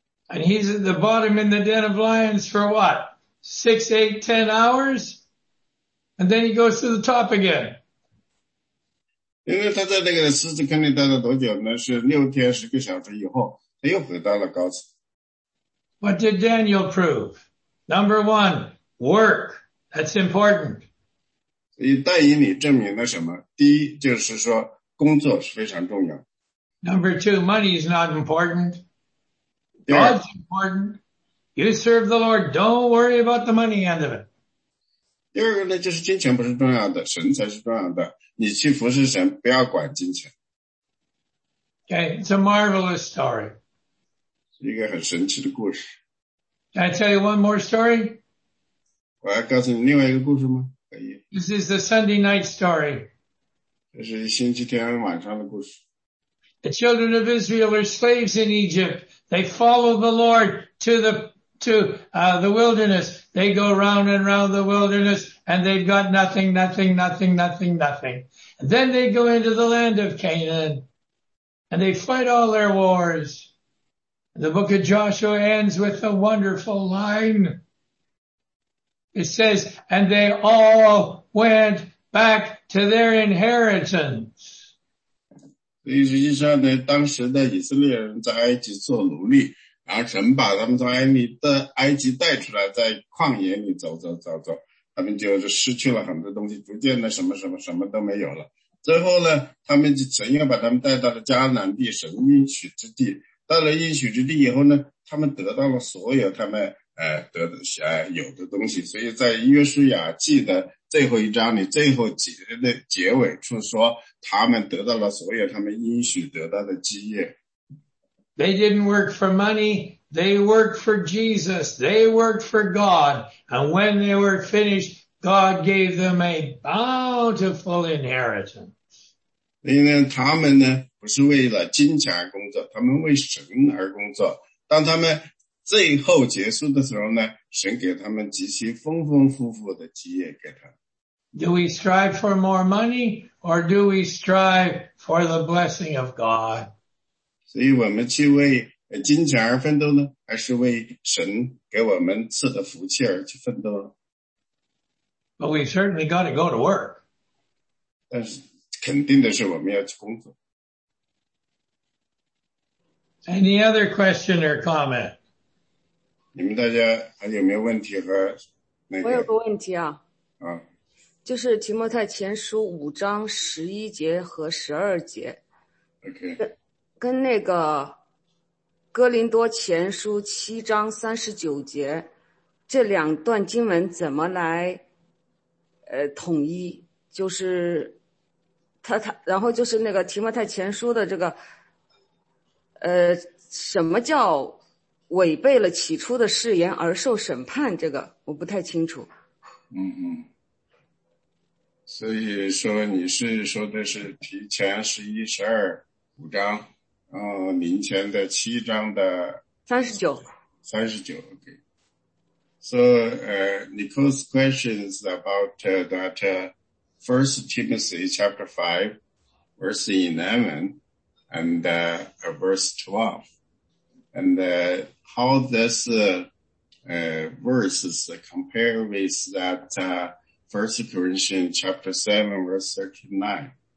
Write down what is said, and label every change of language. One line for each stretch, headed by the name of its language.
English: And he's at the bottom in the den of lions for what? Six, eight, 10 hours, and then he goes to the top again.
Chinese: 因为他在那个狮子坑里待了多久呢？是六天十个小时以后，他又回到了高层。
English: What did Daniel prove? Number one, work. That's important.
Chinese: 所以但以理证明了什么？第一，就是说工作是非常重要。
English: Number two, money is not important. God's important. You serve the Lord. Don't worry about the money end of it.
Chinese: 第二个呢，就是金钱不是重要的，神才是重要的。你去服侍神，不要管金钱。
English: Okay, it's a marvelous story.
Chinese: 是一个很神奇的故事。
English: Can I tell you one more story?
Chinese: 我要告诉你另外一个故事吗？可以。
English: This is the Sunday night story.
Chinese: 这是星期天晚上的故事。
English: The children of Israel are slaves in Egypt. They follow the Lord to the wilderness. They go round and round the wilderness and they've got nothing, nothing, nothing, nothing, nothing. And then they go into the land of Canaan and they fight all their wars. The book of Joshua ends with a wonderful line. It says, and they all went back to their inheritance.
Chinese: 所以实际上呢，当时的以色列人在埃及做奴隶，然后神把他们从埃及带出来，在旷野里走走走走，他们就是失去了很多东西，逐渐的什么什么什么都没有了。最后呢，他们神又把他们带到了迦南地，神应许之地。到了应许之地以后呢，他们得到了所有他们有的东西。所以在约书亚记的最后一章里，最后结尾处说，他们得到了所有他们应许得到的基业。
English: They didn't work for money. They worked for Jesus. They worked for God. And when they were finished, God gave them a bountiful inheritance.
Chinese: 因为他们呢，不是为了金钱而工作，他们为神而工作。当他们最后结束的时候呢，神给他们极其丰丰富富的基业给他。
English: Do we strive for more money or do we strive for the blessing of God?
Chinese: 所以我们去为金钱而奋斗呢，还是为神给我们赐的福气而去奋斗呢？
English: But we certainly got to go to work.
Chinese: 但是肯定的是我们要去工作。
English: Any other question or comment?
Chinese: 你们大家还有没有问题和那个？我有个问题啊。啊。就是提摩太前书五章十一节和十二节。 OK。跟那个哥林多前书七章三十九节这两段经文怎么来统一？就是他然后就是那个提摩太前书的这个什么叫违背了起初的誓言而受审判，这个我不太清楚。嗯嗯，所以说你是说的是提前十一十二五章，然后临前的七章的三十九，三十九。OK。
English: So, Nicole's question is about that First Timothy chapter 5, verse 11 and verse 12. And how this verse is compared with that First Corinthians chapter 7, verse 39.